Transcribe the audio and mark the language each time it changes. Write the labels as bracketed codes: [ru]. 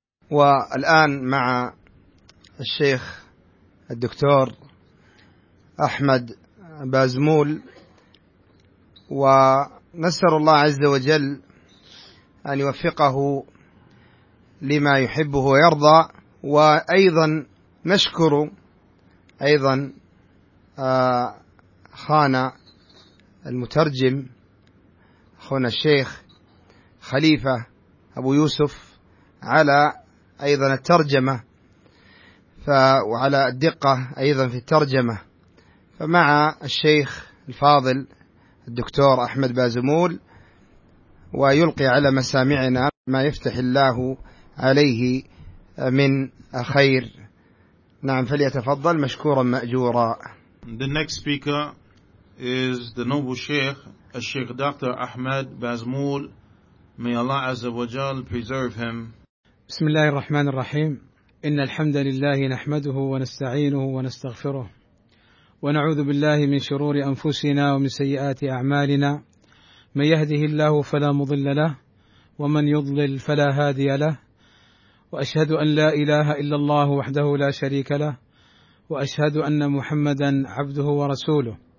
[ar] Wa al-an ma'a al-Shaykh al-Doktor Ahmad Bazmul wa nasar Allah Azza wa Jal an yuwaffiqahu لما يحبه ويرضى. وأيضا نشكر أيضا خانا المترجم أخونا الشيخ خليفة أبو يوسف على أيضا الترجمة وعلى الدقة أيضا في الترجمة مع الشيخ الفاضل الدكتور أحمد بازمول، ويلقي على مسامعنا ما يفتح الله عليه من خير. نعم، فليتفضل مشكورا مأجورا. [en] The next speaker is the noble Sheikh, Sheikh Dr. Ahmed Bazmul. May Allah Azza wa Jal preserve him. [ar] بسم الله الرحمن الرحيم. إن الحمد لله نحمده ونستعينه ونستغفره ونعوذ بالله من شرور أنفسنا ومن سيئات أعمالنا، من يهده الله فلا مضل له ومن يضلل فلا هادي له، وأشهد أن لا إله إلا الله وحده لا شريك له، وأشهد أن محمدا عبده ورسوله.